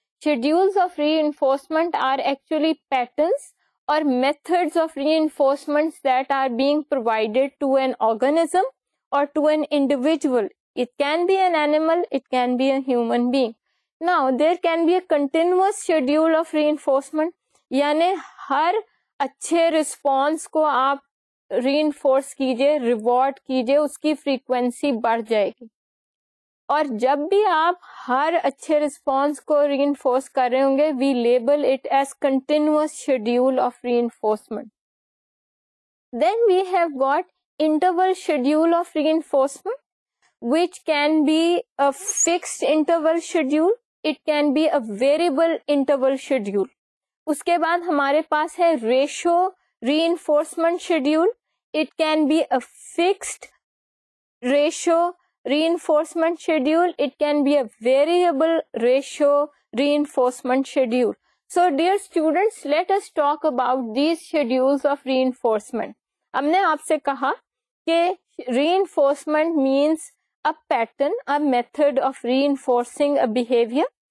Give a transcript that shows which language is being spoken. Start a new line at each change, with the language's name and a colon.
English: Schedules of reinforcement are actually patterns or methods of reinforcements that are being provided to an organism or to an individual. It can be an animal, it can be a human being. Now, there can be a continuous schedule of reinforcement.
Urdu: یعنی ہر اچھے response کو آپ ری enforce کیجیے reward کیجیے اس کی frequency بڑھ جائے گی. اور جب بھی آپ ہر اچھے رسپانس کو ری انفورس کر رہے ہوں گے
English: We label it as continuous schedule of reinforcement. Then we have got interval schedule of reinforcement which can be a fixed interval schedule it can be a variable interval schedule.
Urdu: اس کے بعد ہمارے پاس ہے ratio re enforcement schedule.
English: It can be a fixed ratio reinforcement schedule it can be a variable ratio reinforcement schedule. So dear students let us talk about these schedules of reinforcement.
Urdu: ہم نے آپ سے کہا کہ
English: Reinforcement means a pattern a method of reinforcing a behaviour.